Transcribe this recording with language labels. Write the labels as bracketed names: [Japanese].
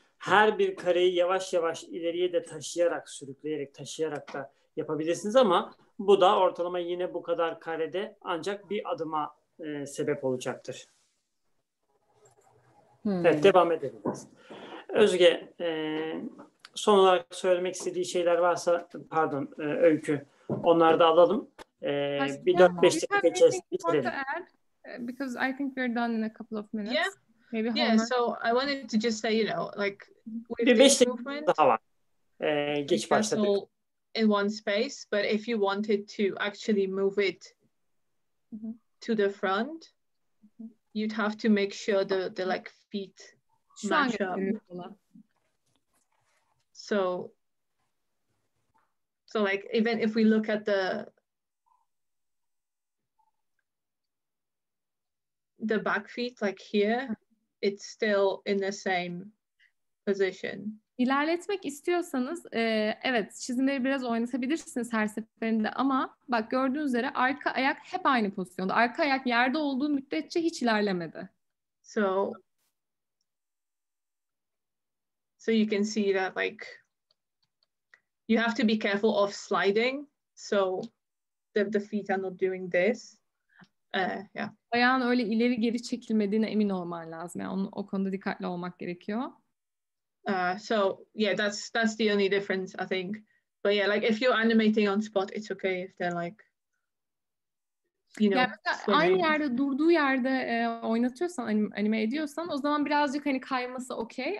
[Turkish] Her bir kareyi yavaş yavaş ileriye de taşıyarak, sürükleyerek, taşıyarak da yapabilirsiniz ama bu da ortalama yine bu kadar karede ancak bir adıma sebep olacaktır. Evet, devam edebiliriz. Özge, son olarak söylemek istediği şeyler varsa, pardon, Öykü, onları da alalım. Bir 4-5 dakika içerisinde bitirelim. [English] Because I think we're done in a couple of minutes. Yeah, maybe so I wanted to just say, you know, like, [Turkish] with bir 5 dakika daha var. Geç başladık. All [English] in one space, but if you wanted to actually move it to the front, you'd have to make sure the like feet match up. So like even if we look at the back feet like here, it's still in the same position. [Turkish] İlerletmek istiyorsanız evet çizimleri biraz oynatabilirsiniz her seferinde ama bak gördüğünüz üzere arka ayak hep aynı pozisyonda. Arka ayak yerde olduğu müddetçe hiç ilerlemedi. [English] So you can see that like you have to be careful of sliding so the feet are not doing this. [Turkish] Ayağın öyle ileri geri çekilmediğine emin olman lazım. Yani onun, o konuda dikkatli olmak gerekiyor. [English] That's the only difference I think. But yeah, like if you're animating on spot, it's okay if they're like, you know. [Turkish] Yani aynı yerde durduğu yerde oynatıyorsan anime ediyorsan, o zaman birazcık hani kayması okay.